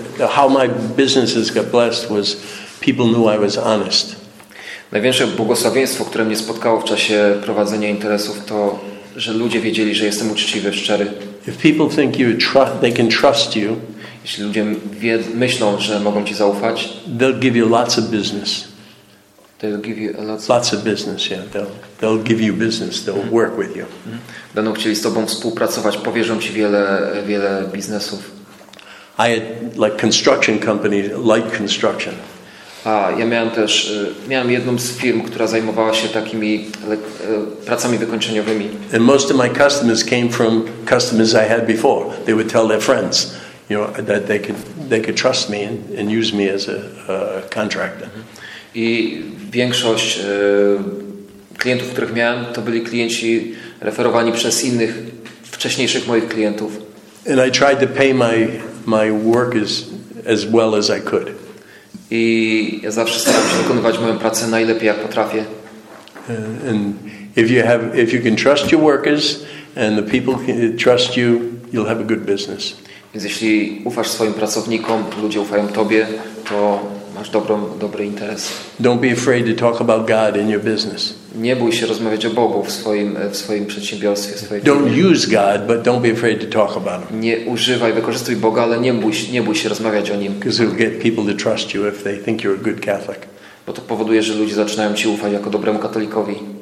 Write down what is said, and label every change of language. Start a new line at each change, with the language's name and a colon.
English: How my businesses got blessed was people knew I was honest.
Polish: Największe błogosławieństwo, które mnie spotkało w czasie prowadzenia interesów, to, że ludzie wiedzieli, że jestem uczciwy, szczery.
English: If people think you trust, they can trust you.
Polish: Jeśli ludzie myślą, że mogą ci zaufać,
English: they'll give you lots of business. They'll give you lots of, business. Yeah, they'll give you business. They'll work with you.
Polish: Będą chcieli z tobą współpracować, powierzą ci wiele biznesów.
English: I had like construction company, light construction.
Polish: A ja miałem też miałem jedną z firm, która zajmowała się takimi pracami wykończeniowymi.
English: And most of my customers came from customers I had before. They would tell their friends, you know, that they could trust me and use me as a contractor.
Polish: I większość klientów, których miałem, to byli klienci referowani przez innych wcześniejszych moich klientów.
English: And I tried to pay my workers as well as I could.
Polish: I ja zawsze staram się wykonywać moją pracę najlepiej, jak potrafię.
English: And if you can trust your workers and the people can trust you, you'll have a good business.
Polish: Więc jeśli ufasz swoim pracownikom, ludzie ufają tobie, to masz dobry interes.
English: Don't be afraid to talk about God in your business.
Polish: Nie bój się rozmawiać o Bogu w swoim przedsiębiorstwie, w swojej.
English: Don't use God, but don't be afraid to talk about him.
Polish: Nie używaj, wykorzystuj Boga, ale nie bój się rozmawiać o nim.
English: Because it'll get people to trust you if they think you're a good Catholic.
Polish: Bo to powoduje, że ludzie zaczynają ci ufać jako dobremu katolikowi.